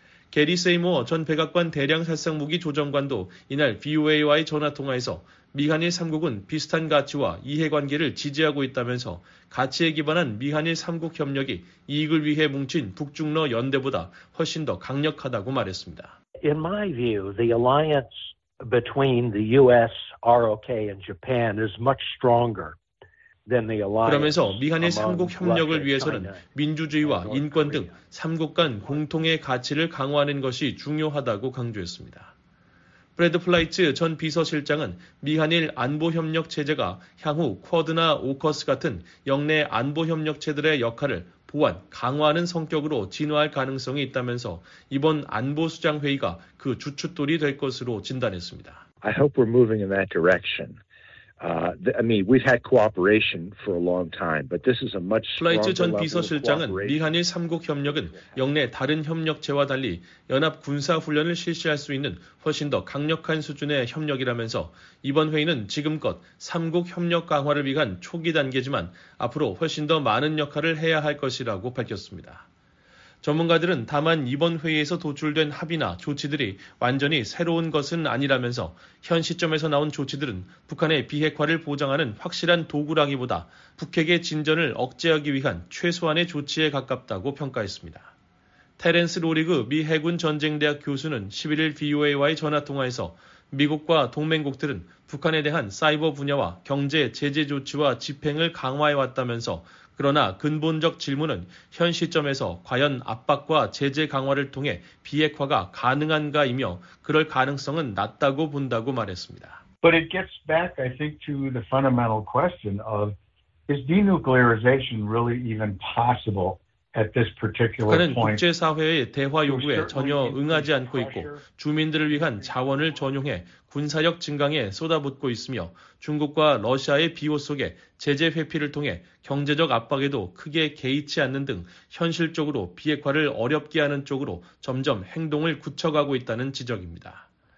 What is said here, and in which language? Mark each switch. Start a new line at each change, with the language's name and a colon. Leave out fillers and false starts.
Korean: 게리 세이모어 전 백악관 대량살상무기 조정관도 이날 VOA와의 전화통화에서 미한일 3국은 비슷한 가치와 이해관계를 지지하고 있다면서 가치에 기반한 미한일 3국 협력이 이익을 위해 뭉친 북중러 연대보다 훨씬 더 강력하다고 말했습니다.
English: In my view, the alliance between the U.S., ROK, and Japan is much stronger.
Korean: 그러면서 미한일 3국 협력을 위해서는 민주주의와 인권 등 3국 간 공통의 가치를 강화하는 것이 중요하다고 강조했습니다. 브래드 플라이츠 전 비서실장은 미한일 안보협력체제가 향후 쿼드나 오커스 같은 역내 안보협력체들의 역할을 보완, 강화하는 성격으로 진화할 가능성이 있다면서 이번 안보수장 회의가 그 주춧돌이 될 것으로 진단했습니다.
English: I hope we're moving in that direction. I mean, we've had cooperation for a long time, but this is a much stronger level of cooperation.
Korean: 플라이츠 전 비서실장은 미한일 3국 협력은 역내 다른 협력체와 달리 연합 군사 훈련을 실시할 수 있는 훨씬 더 강력한 수준의 협력이라면서 이번 회의는 지금껏 3국 협력 강화를 위한 초기 단계지만 앞으로 훨씬 더 많은 역할을 해야 할 것이라고 밝혔습니다. 전문가들은 다만 이번 회의에서 도출된 합의나 조치들이 완전히 새로운 것은 아니라면서 현 시점에서 나온 조치들은 북한의 비핵화를 보장하는 확실한 도구라기보다 북핵의 진전을 억제하기 위한 최소한의 조치에 가깝다고 평가했습니다. 테렌스 로리그 미 해군 전쟁대학 교수는 11일 VOA와의 전화통화에서 미국과 동맹국들은 북한에 대한 사이버 분야와 경제 제재 조치와 집행을 강화해왔다면서 그러나 근본적 질문은 현 시점에서 과연 압박과 제재 강화를 통해 비핵화가 가능한가이며 그럴 가능성은 낮다고 본다고 말했습니다.
English: But it gets back, I think, to the fundamental question of is denuclearization really even possible?
Korean: 북한은 국제사회의 대화 요구에 전혀 응하지 않고 있고 주민들을 위한 자원을 전용해 군사력 증강에 쏟아붓고 있으며 중국과 러시아의 비호 속에 제재 회피를 통해 경제적 압박에도 크게 개의치 않는 등 현실적으로 비핵화를 어렵게 하는 쪽으로 점점 행동을 굳혀가고 있다는 지적입니다.